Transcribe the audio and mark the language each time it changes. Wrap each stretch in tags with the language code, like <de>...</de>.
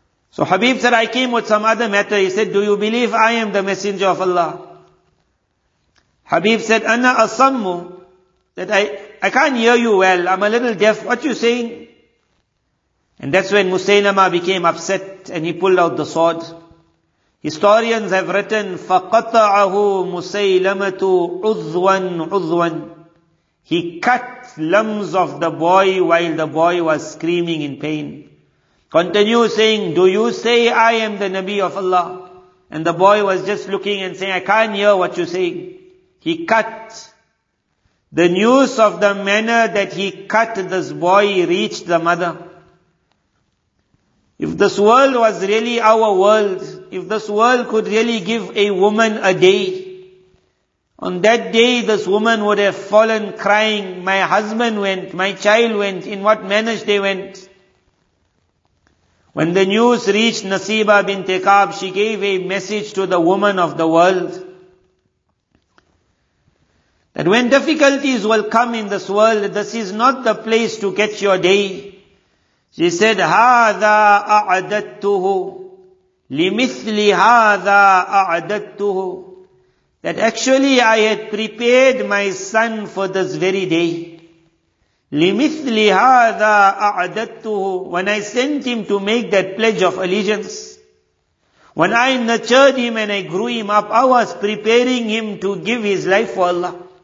<en>So Habib said, I came with some other matter. He said, do you believe I am the messenger of Allah? Habib said,</en> <ar>Anna asammu,</ar> <en>that I can't hear you well. I'm a little deaf. What are you saying? And that's when Musaylama became upset and he pulled out the sword. Historians have written,</en> <ar>فَقَطَعَهُ مُسَيْلَمَةُ عُذْوًا عُذْوًا.</ar> <en>He cut limbs of the boy while the boy was screaming in pain. Continue saying, do you say I am the Nabi of Allah? And the boy was just looking and saying, I can't hear what you're saying. He cut. The news of the manner that he cut this boy reached the mother. If this world was really our world, if this world could really give a woman a day, on that day this woman would have fallen crying, my husband went, my child went, in what manner they went. When the news reached Nasiba bint Kaab, she gave a message to the woman of the world that when difficulties will come in this world, this is not the place to catch your day. She said,</en> <ar>هَذَا أَعْدَدْتُهُ لِمِثْلِ هَذَا أَعْدَدْتُهُ.</ar> <en>That actually I had prepared my son for this very day.</en> <ar>لِمِثْلِ هَذَا أَعْدَدْتُهُ.</ar> <en>When I sent him to make that pledge of allegiance, when I nurtured him and I grew him up, I was preparing him to give his life for Allah.</en>